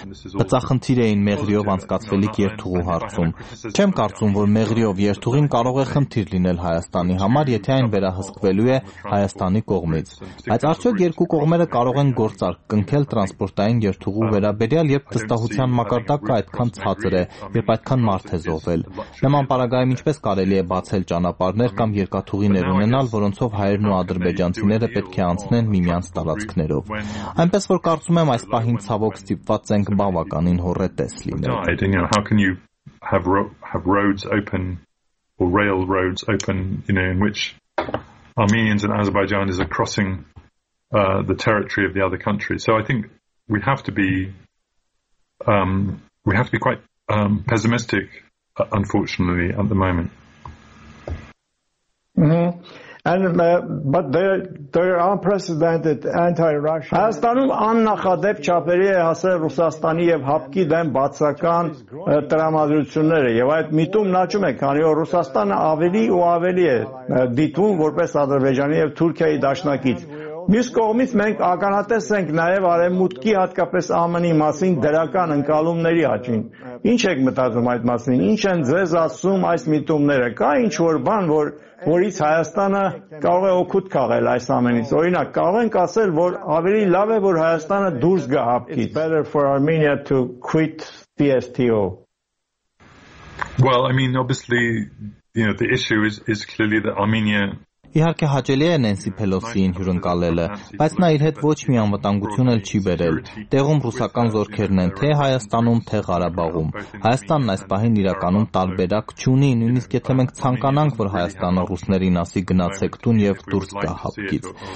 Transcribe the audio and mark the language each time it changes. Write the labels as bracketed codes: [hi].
[hy] բծախնդիր էին մեղրիով անցկացվելիք երթուղու հարցում։ Չեմ կարծում, որ մեղրիով երթուղին կարող է խնդիր լինել Հայաստանի համար, եթե այն վերահսկվելու է Հայաստանի կողմից, բայց արդյոք երկու կողմերը կարող են գործարք կնքել տրանսպորտային երթուղու վերաբերյալ, երբ վստահության մակարդակը այդքան ցածր է, երբ այդքան մարդ է զոհվել։ Նման պարագայում ինչպես կարելի է բացել ճանապարհներ կամ երկաթուղիներ ունենալ, որոնցով հայերն ու ադրբեջանցիները պետք է անցնեն միմյանց տարածքներով։ Այնպես որ ասում եմ, այս պահին ցավոք ստիպված ենք բավականին հորետես լինել։ [en] How can you have roads open or railroads open, you know, in which Armenians and Azerbaijanis are crossing the territory of the other country? So I think we have to be quite pessimistic, unfortunately, at the moment. And but there are unprecedented anti-Russian. [hy] Հայաստանում աննախադեպ չափերի է հասել Ռուսաստանի եւ ՀԱՊԿ-ի դեմ բացական տրամադրությունները եւ այդ միտումն աճում է, քանի որ Ռուսաստանը ավելի ու ավելի է դիտվում որպես Ադրբեջանի եւ Թուրքիայի դաշնակից։ Մյուս կողմից մենք ականատես ենք նաեւ արևմուտքի, հատկապես ԱՄՆ-ի մասին դրական ընկալումների աճին։ Ինչ եք մտածում այդ մասին, ինչ են ձեզ ասում այս միտումները, կա ինչ որ բան, որից Հայաստանը կարող է օգուտ քաղել այս ամենից? Օրինակ, կարող ենք ասել, որ ավելի լավ է, որ Հայաստանը դուրս գա ՀԱՊԿ-ից։ [en] It's better for Armenia to quit PSTO. Well, I mean, obviously, you know, the issue is clearly that Armenia [hy] Իհարկե հաճելի է Նենսի Փելոսիին հյուրընկալելը, բայց նա իր հետ ոչ մի անվտանգություն էլ չի բերել։ Տեղում ռուսական զորքերն են թե Հայաստանում, թե Ղարաբաղում։ Հայաստանն այս պահին իրականում տարբերակ չունի, նույնիսկ եթե մենք ցանկանանք, որ Հայաստանը ռուսներին ասի գնացեք տուն և դուրս գա հապկից։